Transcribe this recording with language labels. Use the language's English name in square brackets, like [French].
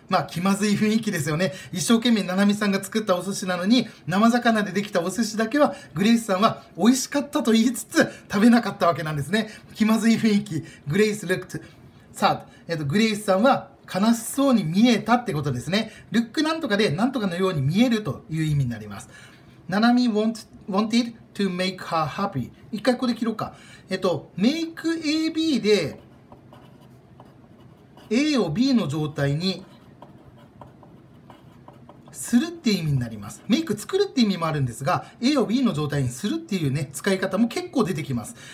[Japanese] まあ気まずい雰囲気ですよね。一生懸命ナナミさんが作ったお寿司なのに、生魚でできたお寿司だけはグレイスさんは美味しかったと言いつつ食べなかったわけなんですね。気まずい雰囲気、グレイス [English] looked sad、 [Japanese] グレイスさんは悲しそうに見えたってことですね。ルックなんとかで、なんとかのように見えるという意味になります。 [English] ナナミ wanted to make her happy。 [Japanese] 一回ここで切ろうか。 make AB でA を B の状態にするって意味になります。メイク作るって意味もあるんですが、 A を B の状態にするっていうね、使い方も結構出てきます。